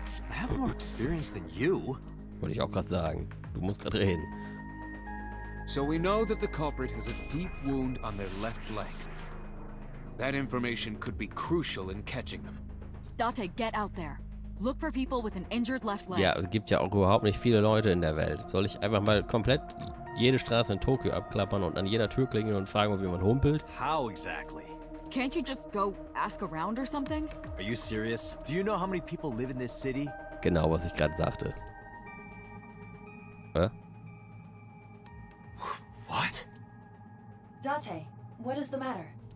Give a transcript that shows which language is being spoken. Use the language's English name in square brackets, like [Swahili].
[English] I have more experience than you. [German] Wollte ich auch gerade sagen. Du musst gerade reden. [English] So we know that the culprit has a deep wound on their left leg. That information could be crucial in catching them. Date, get out there. Look for people with an injured left leg. [German] Ja, es gibt ja auch überhaupt nicht viele Leute in der Welt. Soll ich einfach mal komplett jede Straße in Tokio abklappern und an jeder Tür klingeln und fragen, ob jemand humpelt? [English] How exactly? Can't you just go ask around or something? Are you serious? Do you know how many people live in this city? [German] Genau, was ich gerade sagte. Hä? [English] What? Date, what is the matter?